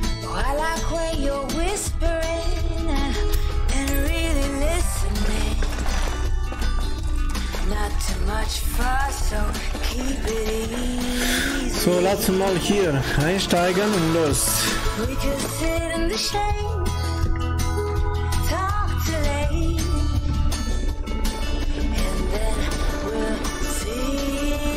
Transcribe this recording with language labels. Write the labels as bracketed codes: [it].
[en] I like when you're whispering and really listening. Not too much fuss, so keep it easy. [de] So, lass mal hier einsteigen und los. [en] We can sit in the shade, talk too late, and then we'll see.